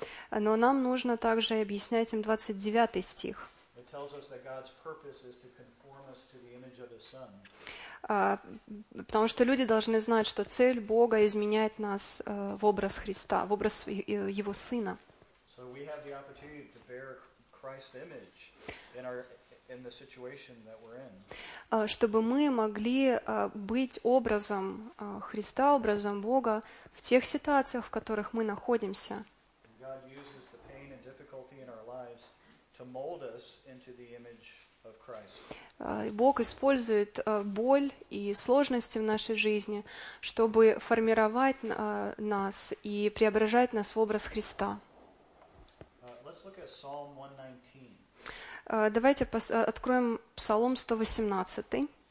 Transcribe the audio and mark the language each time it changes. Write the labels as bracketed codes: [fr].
[ru] Но нам нужно также объяснять им 29 стих. [en] It tells us that God's purpose is to conform us to the image of His Son. [ru] Потому что люди должны знать, что цель Бога — изменять нас в образ Христа, в образ Его Сына. [en] So we have the opportunity to bear Christ's image in our... In the situation that we're in. [ru] Чтобы мы могли быть образом Христа, образом Бога в тех ситуациях, в которых мы находимся. [en] God uses the pain and difficulty in our lives to mold us into the image of Christ. [ru] Бог использует боль и сложности в нашей жизни, чтобы формировать нас и преображать нас в образ Христа. [en] Let's look at Psalm 119. [ru] Давайте откроем Псалом 118.